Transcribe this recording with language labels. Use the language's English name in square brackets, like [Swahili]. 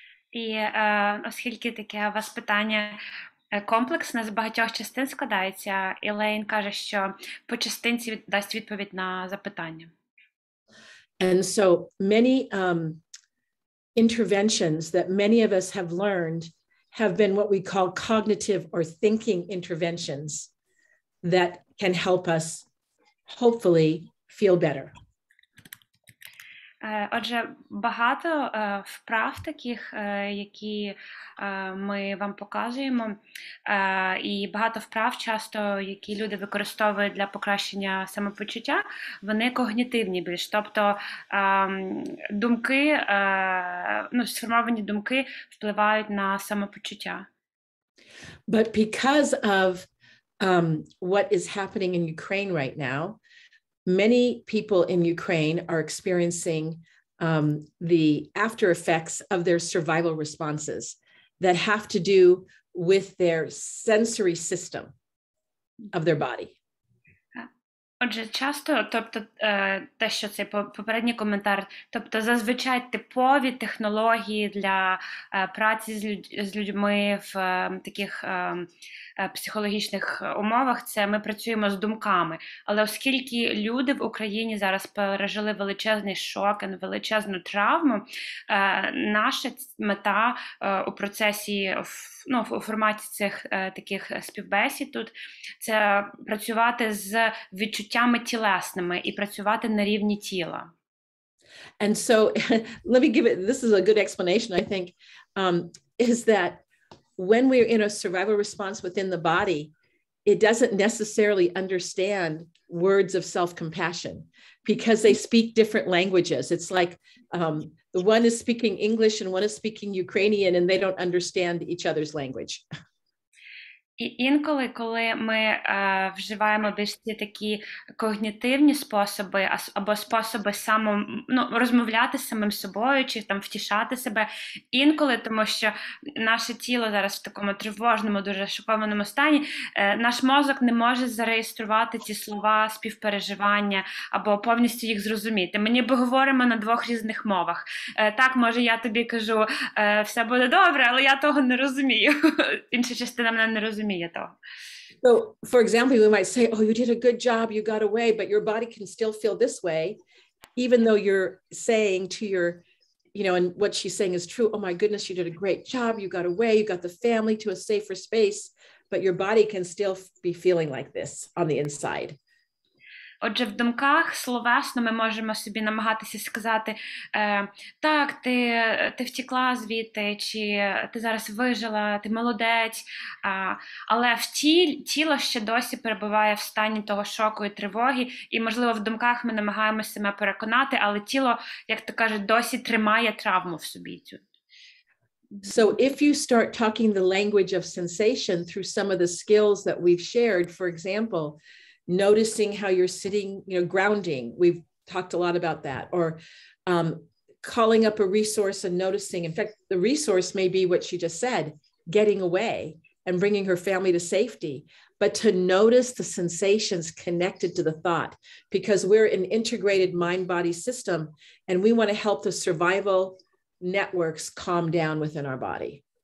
[Ukrainian] І оскільки таке у вас питання комплексне, з багатьох частин складається, Елейн каже, що по частинці дасть відповідь на запитання. [English] And so many interventions that many of us have learned have been what we call cognitive or thinking interventions that can help us hopefully feel better. [Ukrainian] Отже, багато вправ таких, які ми вам показуємо, і багато вправ часто, які люди використовують для покращення самопочуття, вони когнітивні більш. Тобто думки, ну, сформовані думки впливають на самопочуття. [English] But because of what is happening in Ukraine right now, many people in Ukraine are experiencing the after effects of their survival responses that have to do with their sensory system of their body. [Ukrainian] Отже, часто, тобто, те, що цей попередній коментар, тобто, зазвичай типові технології для праці з людьми в таких психологічних умовах, це ми працюємо з думками. Але оскільки люди в Україні зараз пережили величезний шок і величезну травму, наша мета у процесі, ну, у форматі цих таких співбесід тут, це працювати з відчуттями тілесними і працювати на рівні тіла. [English] And so, let me give it, this is a good explanation, I think, is that when we're in a survival response within the body, it doesn't necessarily understand words of self-compassion because they speak different languages. It's like the one is speaking English and one is speaking Ukrainian and they don't understand each other's language. [Ukrainian] І інколи, коли ми вживаємо більш такі когнітивні способи або способи розмовляти з самим собою чи там втішати себе, інколи, тому що наше тіло зараз в такому тривожному, дуже шокованому стані, наш мозок не може зареєструвати ці слова співпереживання або повністю їх зрозуміти. Ми ніби говоримо на двох різних мовах. Так, може, я тобі кажу, все буде добре, але я того не розумію. Інша частина мене не розуміє. розуміє того. [English] So, for example, we might say, oh, you did a good job, you got away, but your body can still feel this way, even though you're saying to your, you know, and what she's saying is true, oh my goodness, you did a great job, you got away, you got the family to a safer space, but your body can still be feeling like this on the inside. [Ukrainian] Отже, в думках словесно ми можемо собі намагатися сказати, так, ти втекла звідти, чи ти зараз вижила, ти молодець, але в тіло ще досі перебуває в стані того шоку і тривоги, і, можливо, в думках ми намагаємося себе переконати, але тіло, як то кажуть, досі тримає травму в собі цю. [English] So if you start talking the language of sensation through some of the skills that we've shared, for example, noticing how you're sitting, you know, grounding, we've talked a lot about that, or calling up a resource and noticing, in fact, the resource may be what she just said, getting away and bringing her family to safety, but to notice the sensations connected to the thought, because we're an integrated mind-body system, and we want to help the survival networks calm down within our body.